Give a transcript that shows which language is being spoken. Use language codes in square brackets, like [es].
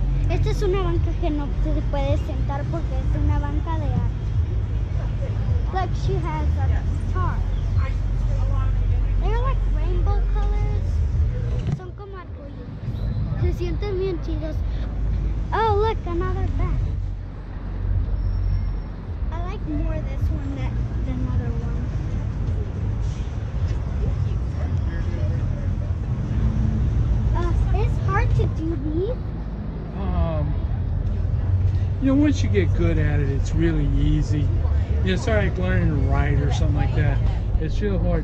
[es] Esta es una banca que no se puede sentar porque es una banca de arte. [en] Like she has a guitar. They're like rainbow colors. [es] Son como arcoíris. Se sienten bien chidos. [en] Oh, look, another bag. I like more this one than the other one. It's hard to do these. You know, once you get good at it, it's really easy. You know, sorry, like learning to write or something like that. It's real hard.